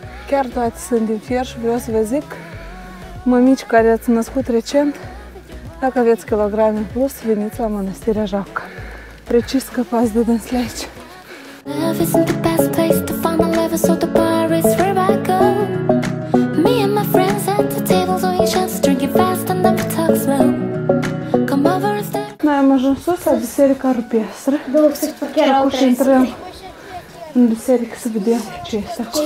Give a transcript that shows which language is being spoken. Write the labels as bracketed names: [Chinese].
[Romanian] Chiar toate sunt din fier și vreau să vă zic, mămici care ați născut recent, dacă aveți kilograme în plus, veniți la Mănăstirea Japca. Precis că pas de dâns la aici. [English] Love isn't the best place to find a lover, so the bar is where I go. Me and my friends at the table, so you just drink it fast and never talk slow. Come over and stay. [Romanian] Noi am ajuns sus la biserica rupestră. Acum intrăm în biserică să vedem ce este acolo.